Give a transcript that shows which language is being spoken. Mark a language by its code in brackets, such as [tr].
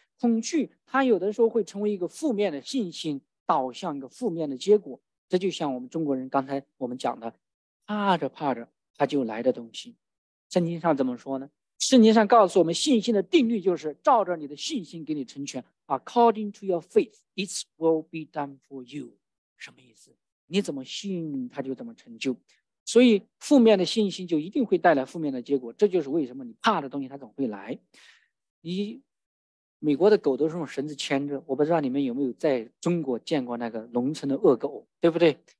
[zh] 恐惧它有的时候会成为一个负面的信心，导向一个负面的结果。这就像我们中国人刚才我们讲的怕着怕着它就来的东西。圣经上怎么说呢？圣经上告诉我们信心的定律就是照着你的信心给你成全。 [en] According to your faith it will be done for you， [zh] 什么意思？你怎么信它就怎么成就。所以负面的信心就一定会带来负面的结果，这就是为什么你怕的东西它总会来。你美国的狗都是用绳子牵着，我不知道你们有没有在中国见过那个农村的恶狗，对不对？